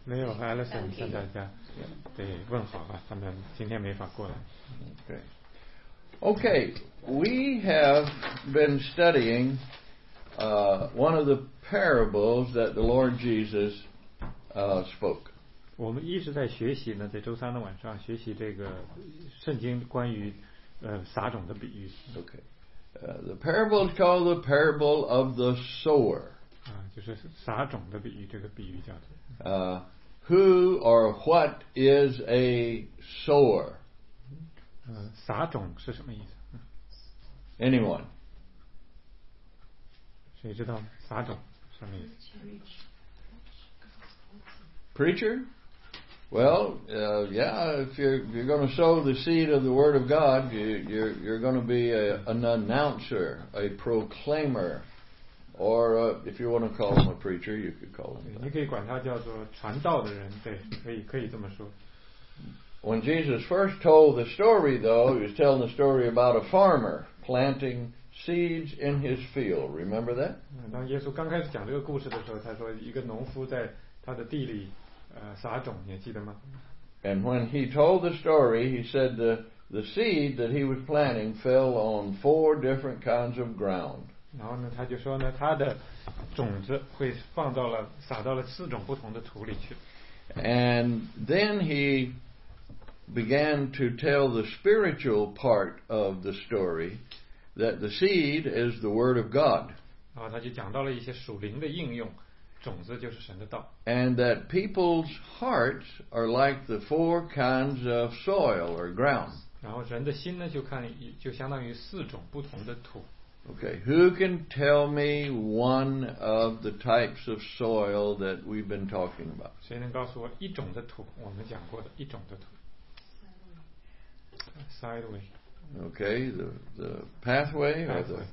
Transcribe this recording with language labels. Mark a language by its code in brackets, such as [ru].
[en] Leo and Allison, thank you. [zh] 对，问好啊，他们今天没法过来。 [en] Okay. Okay, we have been studying one of the parables that the Lord Jesus spoke. [zh] 我们一直在学习呢，在周三的晚上学习这个圣经关于撒种的比喻。 [en] Okay. The parable is called the parable of the sower. [zh] 就是撒种的比喻，这个比喻叫做。 [en] Who or what is a sower? [zh] 撒种是什么意思？ [en] Anyone? [zh] 谁知道撒种什么意思？ [en] Preacher? Well, yeah, if you're going to sow the seed of the word of God, you're going to be an announcer, a proclaimer. Or if you want to call him a preacher, you could call him that. [zh] 你可以管他叫做传道的人，对，可以这么说。 [en] When Jesus first told the story, though, he was telling the story about a farmer planting seeds in his field. Remember that? [zh] 当耶稣刚开始讲这个故事的时候，他说一个农夫在他的地里撒种，你还记得吗？ [en] And when he told the story, he said the seed that he was planting fell on four different kinds of ground. [zh] 然后呢，他就说呢，他的种子会放到了撒到了四种不同的土里去。 [en] And then he began to tell the spiritual part of the story that the seed is the word of God. [zh] 然后他就讲到了一些属灵的应用。种子就是神的道。 [en] And that people's hearts are like the four kinds of soil or ground. [zh] 然后人的心呢，就看就相当于四种不同的土。 [en] Okay, who can tell me one of the types of soil that we've been talking about? [zh] 谁能告诉我一种的土？我们讲过的一种的土。 [en] Sideway. Okay, the pathway, pathway.